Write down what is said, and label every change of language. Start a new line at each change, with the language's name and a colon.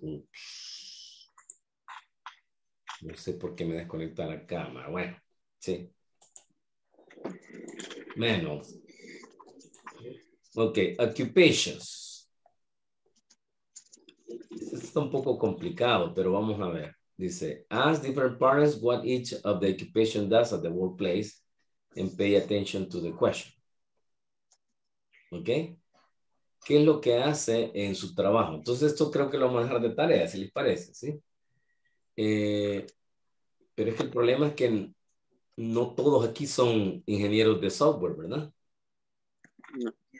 Spanish: No sé por qué me desconecta la cámara. Bueno, sí.
English: Menos. Ok. Occupations.
Spanish: Esto está un poco complicado, pero vamos a ver.
English: Dice, ask different partners what each of the occupation does at the workplace and pay attention to the question. ¿Ok?
Spanish: ¿Qué es lo que hace en su trabajo? Entonces, esto creo que lo vamos a dejar de tarea, si les parece, ¿sí? Pero es que el problema es que no todos aquí son ingenieros de software, ¿verdad? No.